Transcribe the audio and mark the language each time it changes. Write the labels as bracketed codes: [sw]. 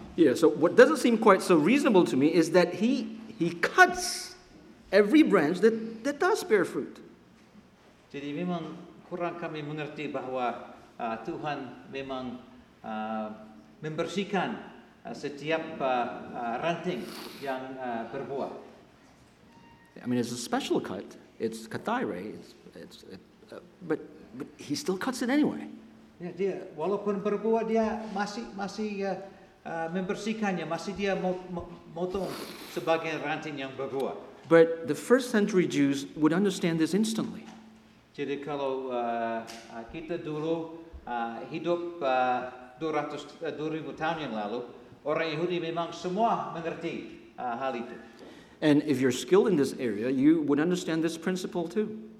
[en] Yeah, so what doesn't seem quite so reasonable to me is that he cuts every branch that does bear fruit. [id] Jadi memang kurang kami mengerti bahwa Tuhan memang membersihkan setiap ranting yang berbuah. [en] I mean, it's a special cut. It's kathairae. But he still cuts it anyway. [id] Yeah, dia walaupun berbuah dia masih membersihkannya. Masih dia motong sebagian ranting yang berbuah. [en] But the first century Jews would understand this instantly. [id] Jadi kalau kita dulu hidup 2000 tahun yang lalu, orang Yahudi memang semua mengerti hal itu. [en] And if you're skilled in this area, you would understand this principle too.